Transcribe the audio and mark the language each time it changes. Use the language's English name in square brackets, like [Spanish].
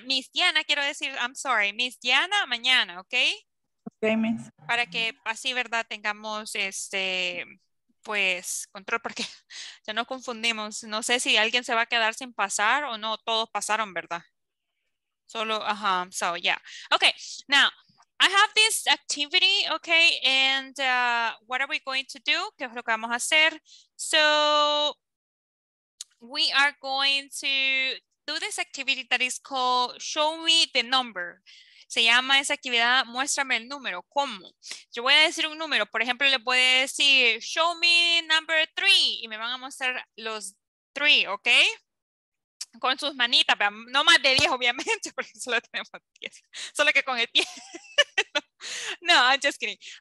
[Spanish] Miss Diana, quiero decir, [English] I'm sorry, [Spanish] Miss Diana mañana, ¿ok? [English] Ok, Miss. [Spanish] Para que así, ¿verdad?, tengamos este... pues control, porque ya nos confundimos. No sé si alguien se va a quedar sin pasar o no, todos pasaron, ¿verdad? [English] Solo, ajá, so yeah. Okay, now I have this activity, okay, and what are we going to do? [Spanish] ¿Qué es lo que vamos a hacer? [English] So we are going to do this activity that is called Show Me the Number. [Spanish] Se llama esa actividad, muéstrame el número. ¿Cómo? Yo voy a decir un número. Por ejemplo, le voy a decir, [English] show me number three. [Spanish] Y me van a mostrar los three, ¿ok? Con sus manitas, pero no más de 10, obviamente, porque solo tenemos 10. Solo que con el pie. No, [English] I'm just kidding.